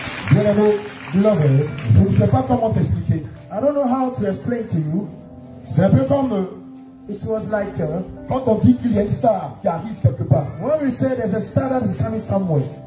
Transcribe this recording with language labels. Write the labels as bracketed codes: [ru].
[fr] Bien-aimé, [en] beloved, [fr] je ne sais pas comment t'expliquer. [en] I don't know how to explain to you. [fr] C'est un peu comme [en] it was like [fr] quand on dit qu'il y a une star qui arrive quelque part. [en] When we say there's a star that is coming somewhere.